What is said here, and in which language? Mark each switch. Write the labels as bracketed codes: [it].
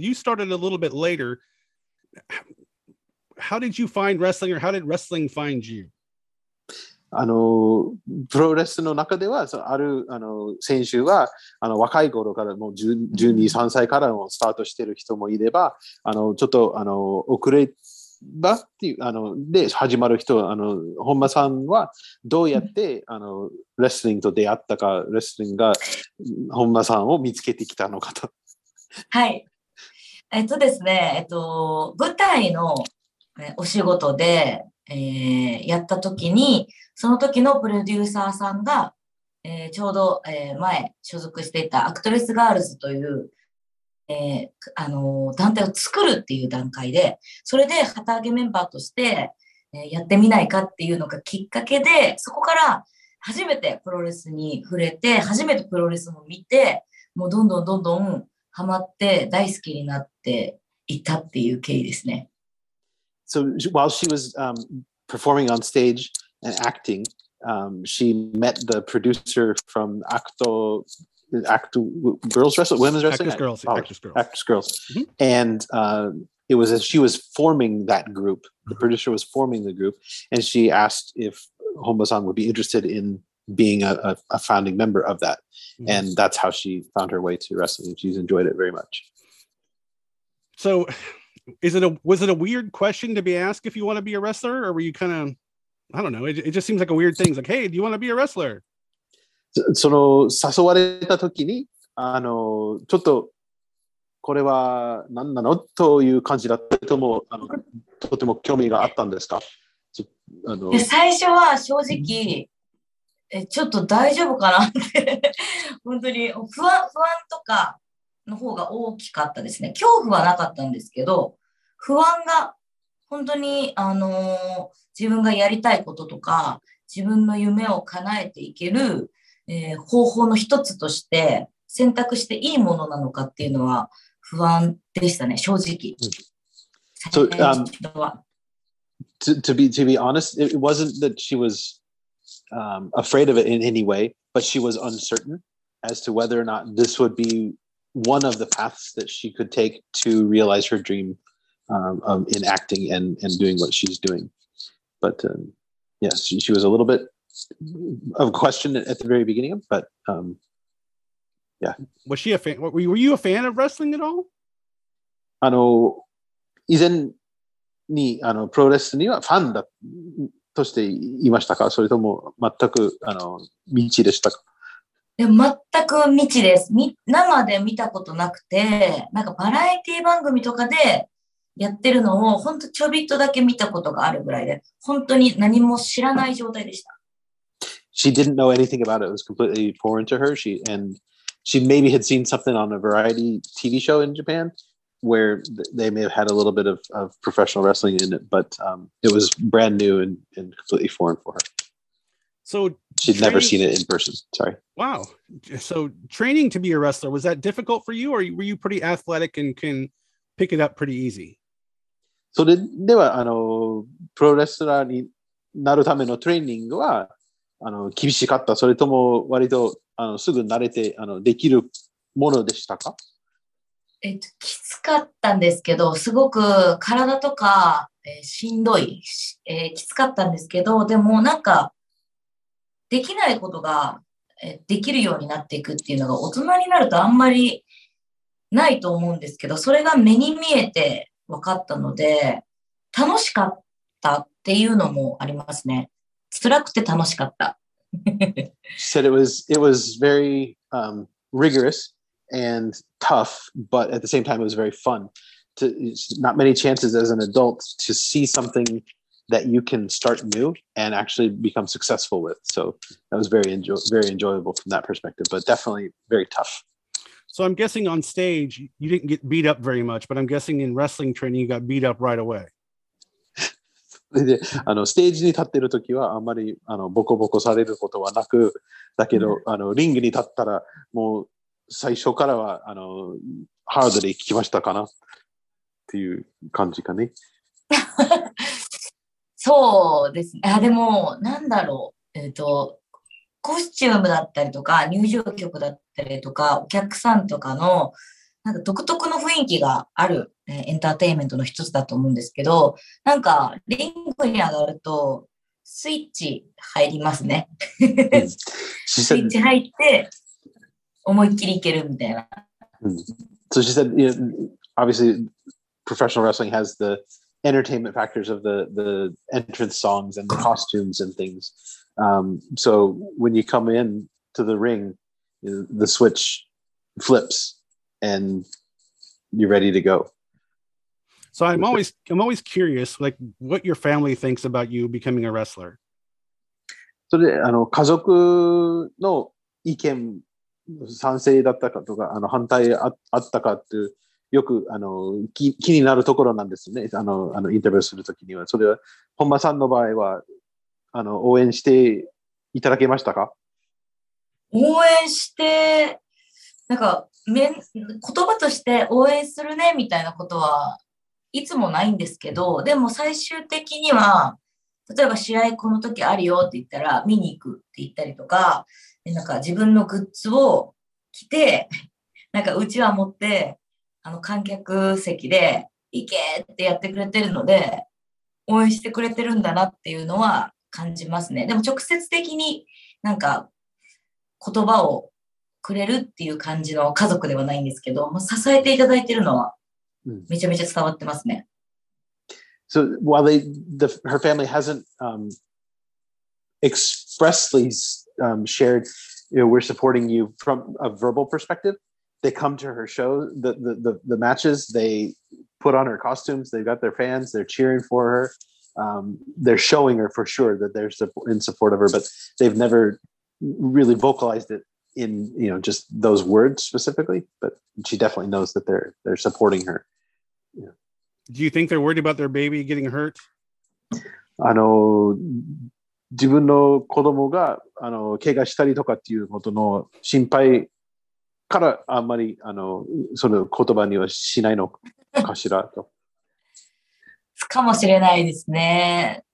[en] You started a little bit later. How did you find wrestling, or how did wrestling find you? [ja] プロレスの中では、ある選手は若い頃からもう12、3歳からもスタートしている人もいれば、ちょっと遅れだっていうあので始まる人あの本間さんはどうやってあのレスリングと出会ったかレスリングが本間さんを見つけてきたのかとはいですね舞台のお仕事で、やった時にその時のプロデューサーさんが、ちょうど、前所属していたアクトレスガールズという団体を作るっていう段階でそれで旗揚げメンバーとして、やってみないかっていうのがきっかけでそこから初めてプロレスに触れて初めてプロレスも見てもうどんどんどんどんハマって大好きになっていたっていう経緯ですね。 [en] So while she was、performing on stage and acting、she met the producer from Actors Girls. Mm-hmm. And it was as she was forming that group, the producer was forming the group, and she asked if Honma-san would be interested in being a founding member of that. Mm-hmm. And that's how she found her way to wrestling. She's enjoyed it very much. So was it a weird question to be asked if you want to be a wrestler? Or were you kind of, I don't know, it just seems like a weird thing. It's like, hey, do you want to be a wrestler? [ja] その誘われた時にあのちょっとこれは何なのという感じだったともあのとても興味があったんですか？あの最初は正直ちょっと大丈夫かなって本当に不安とかの方が大きかったですね。恐怖はなかったんですけど不安が本当に自分がやりたいこととか自分の夢を叶えていける方法の一つとして選択していいものなのかっていうのは不安でしたね、正直。 [en] So, to be honest, it wasn't that she was, afraid of it in any way, but she was uncertain as to whether or not this would be one of the paths that she could take to realize her dream, in acting and doing what she's doing. But, yes, she was a little bit. Of a question at the very beginning, but yeah. Was she a fan? Were you a fan of wrestling at all? [ja] あの以前にあのプロレスにはファンだとしていましたか？それとも全くあの未知でしたか？で全く未知です。生で見たことなくて、なんかバラエティ番組とかでやってるのを本当ちょびっとだけ見たことがあるぐらいで、本当に何も知らない状態でした。 [en] She didn't know anything about it. It was completely foreign to her. She maybe had seen something on a variety TV show in Japan where they may have had a little bit of professional wrestling in it, but it was brand new and completely foreign for her. So she'd never seen it in person. Sorry. Wow. So training to be a wrestler, was that difficult for you or were you pretty athletic and can pick it up pretty easy? [ja] So ではあのプロレスラーになるためのトレーニングはあの厳しかったそれとも割とあのすぐ慣れてあのできるものでしたか？きつかったんですけどすごく体とか、しんどい、きつかったんですけどでもなんかできないことが、できるようになっていくっていうのが大人になるとあんまりないと思うんですけどそれが目に見えて分かったので楽しかったっていうのもありますね。辛くて楽しかった。 [en] She said it was very rigorous and tough, but at the same time it was very fun. Not many chances as an adult to see something that you can start new and actually become successful with. So that was very enjoyable from that perspective, but definitely very tough. So I'm guessing on stage you didn't get beat up very much, but I'm guessing in wrestling training you got beat up right away. [ja] であのステージに立っているときはあんまりあのボコボコされることはなくだけどあのリングに立ったらもう最初からはあのハードで聞きましたかなっていう感じかねそうですねあでもなんだろう、コスチュームだったりとか入場曲だったりとかお客さんとかのなんか独特の雰囲気がある、エンターテインメントの一つだと思うんですけど、なんかリングに上がるとスイッチ入りますね。スイッチ入って思いっきりいけるみたいな。 [en] So she said, you know, obviously professional wrestling has the entertainment factors of the entrance songs and the costumes and things. So when you come in to the ring, the switch flips and you're ready to go. So I'm always curious, like what your family thinks about you becoming a wrestler. So the, [ja] あの家族の意見賛成だったかとか、あの反対あったかっていうよくあの気になるところなんですね。あのインタビューするときには、それは本間さんの場合はあの応援していただけましたか？応援してなんか言葉として応援するねみたいなことはいつもないんですけど、でも最終的には例えば試合この時あるよって言ったら見に行くって言ったりとか、なんか自分のグッズを着てなんかうちわ持ってあの観客席で行けってやってくれてるので応援してくれてるんだなっていうのは感じますね。でも直接的になんか言葉をくれるっていう感じの家族ではないんですけど、まあ、支えていただいてるのはめちゃめちゃ伝わってますね。 [en] So while her family hasn't expressly shared, you know, we're supporting you from a verbal perspective, they come to her show, the matches, they put on her costumes, they've got their fans, they're cheering for her, they're showing her for sure that they're in support of her, but they've never really vocalized it in, you know, just those words specifically, but she definitely knows that they're supporting her. Do you think they're worried about their baby getting hurt? [ja] あの、自分の子供が、あの、怪我したりとかっていうことの心配からあんまり、あの、その言葉にはしないのかしらと。かもしれないですね。